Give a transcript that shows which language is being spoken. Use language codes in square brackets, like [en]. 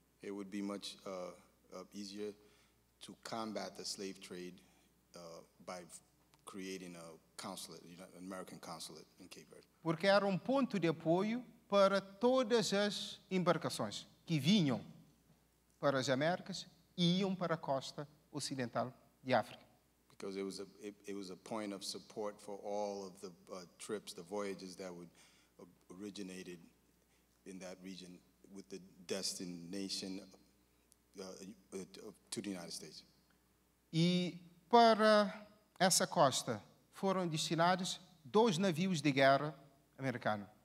[en] It would be much easier to combat the slave trade by creating a consulate, you know, an American consulate in Cape Verde. [pt] Porque era ponto de apoio para todas as embarcações que vinham para as Américas e iam para a costa ocidental de África. [en] Because it was a point of support for all of the trips, the voyages that would originated in that region with the destination to the United States. [pt] E para essa costa foram destinados dois navios de guerra americano.